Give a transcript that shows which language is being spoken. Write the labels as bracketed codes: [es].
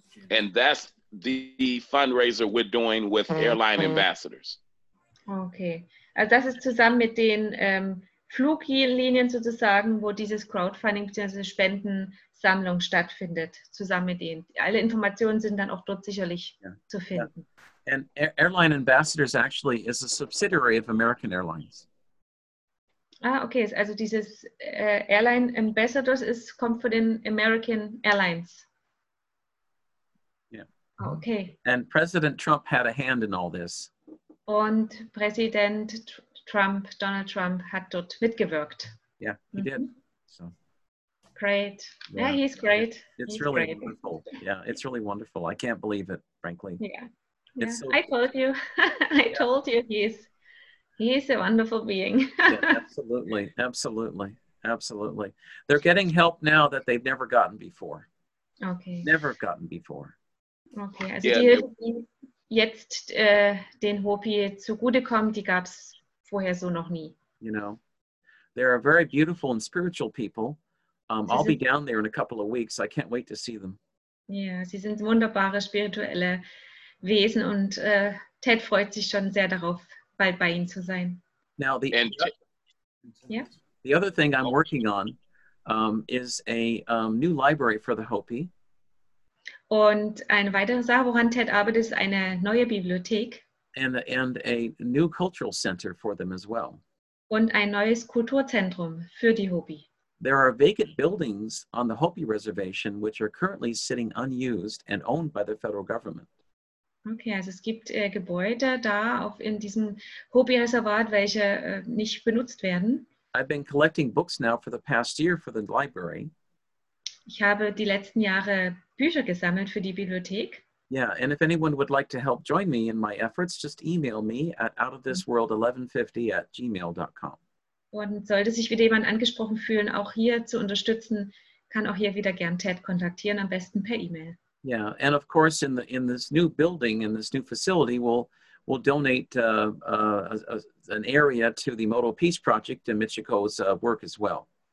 [en] And that's the fundraiser we're doing with Airline Ambassadors. Okay. [de] Also das ist zusammen mit den Fluglinien sozusagen, wo dieses Crowdfunding bzw. Spendensammlung stattfindet, zusammen mit denen. Alle Informationen sind dann auch dort sicherlich zu finden. [en] Yeah. And Airline Ambassadors actually is a subsidiary of American Airlines. [de] Ah, okay, also dieses Airline Ambassadors kommt von den American Airlines. [en] Yeah. Okay. And President Trump had a hand in all this. [de] Und Präsident Trump, Donald Trump, hat dort mitgewirkt. [en] Yeah, he did. So. Great. Yeah, yeah, he's great. Wonderful. Yeah, it's really wonderful. I can't believe it, frankly. Yeah. It's so I told you. told you he's. He's a wonderful being. Absolutely. They're getting help now that they've never gotten before. Okay. Okay, [de] also yeah, den Hopi zugutekommen, die gab's vorher so noch nie. [en] You know, they're a very beautiful and spiritual people. I'll be down there in a couple of weeks. I can't wait to see them. [de] Yeah, sie sind wunderbare spirituelle Wesen und Ted freut sich schon sehr darauf, bald bei ihnen zu sein. [en] Now the and, yeah. The other thing I'm working on is a new library for the Hopi. [de] Und eine weitere Sache, woran Ted arbeitet, ist eine neue Bibliothek. [en] And a new cultural center for them as well. [de] Und ein neues Kulturzentrum für die Hopi. [en] There are vacant buildings on the Hopi Reservation which are currently sitting unused and owned by the federal government. [de] Okay, also es gibt Gebäude da auf in diesem Hopi-Reservat, welche nicht benutzt werden. [en] I've been collecting books now for the past year for the library. [de] Ich habe die letzten Jahre Bücher gesammelt für die Bibliothek. [en] Yeah, and if anyone would like to help join me in my efforts, just email me at outofthisworld1150@gmail.com. [de] Und sollte sich wieder jemand angesprochen fühlen, auch hier zu unterstützen, kann auch hier wieder gern Ted kontaktieren, am besten per E-Mail. [en] Yeah, and of course in this new building, in this new facility, we'll donate an area to the Moto Peace Project and Michiko's work as well.